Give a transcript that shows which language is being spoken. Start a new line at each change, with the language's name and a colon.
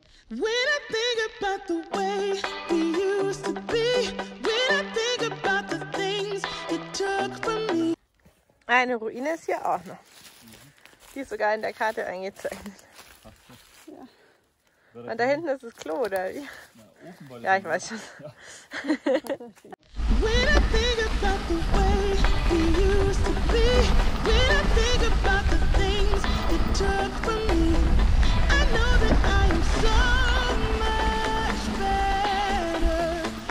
English: When I think about the way we used to be, when I think about the things it took from me.
German: Eine Ruine ist hier auch noch. Die ist sogar in der Karte eingezeichnet. Und da hinten ist das Klo, oder wie? Ja, ich weiß schon.
English: When I think about the way we used to be, when I think about the things it took from me, I know that I am so much better.